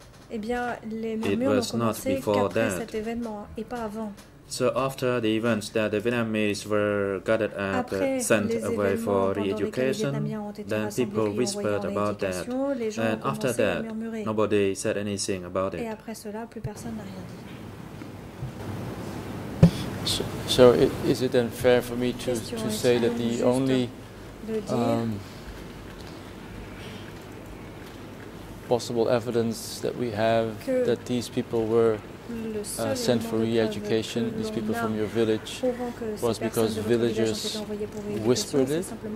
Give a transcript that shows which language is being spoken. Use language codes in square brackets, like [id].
[fr] Eh bien, les murmures ont commencé qu'après cet événement et pas avant. [en] So after the events that the Vietnamese were gathered at, sent away for re-education, then people whispered about that. And after that, nobody said anything about it. [fr] Et après cela, plus personne n'a rien dit. [en] So is it unfair for me to say that the only possible evidence that we have that these people were sent for re-education, these people from your village, was because villagers whispered it?